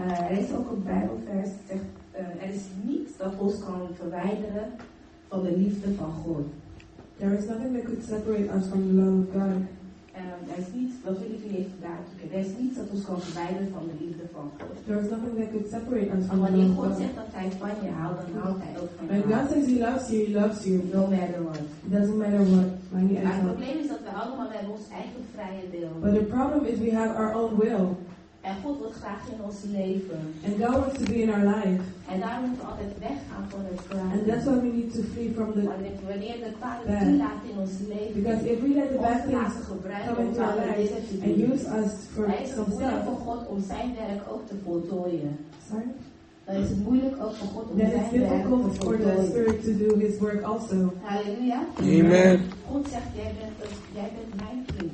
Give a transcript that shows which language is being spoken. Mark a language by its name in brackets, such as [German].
[Dutch] Er is ook een Bijbelvers dat zegt, er is niets dat ons kan verwijderen van de liefde van God. [English] There is nothing that could separate us from the love of God. [Dutch] Er is niets, dat wil ik u even duidelijken. Er is niets dat ons kan verwijderen van de liefde van God. [English] There is nothing that could separate us from God. [Dutch] Wanneer God zegt dat hij van je houdt, dan houdt hij ook van [English] jou. When God says he loves you, he loves you. No matter what. It doesn't matter what. [Dutch] Maar het probleem is dat we allemaal hebben ons eigen vrije wil. [English] But the problem is we have our own will. [Dutch] En God wil graag in ons leven. [English] And God wants to be in our life. [Dutch] En daarom moeten we altijd weggaan van het kwaad. [English] And that's why we need to flee from the [Dutch] wanneer de kwaad toelaat in ons leven. [English] Because if we let the bad things come into our lives and use us for ourselves. [Dutch] Het is moeilijk voor God om zijn werk ook te voltooien. [English] Sorry? [Dutch] Dan is het moeilijk ook voor God om zijn werk te voltooien. [English] Then it's difficult for the Spirit to do his work also. Hallelujah. Amen. [Dutch] God zegt, jij bent mijn kind.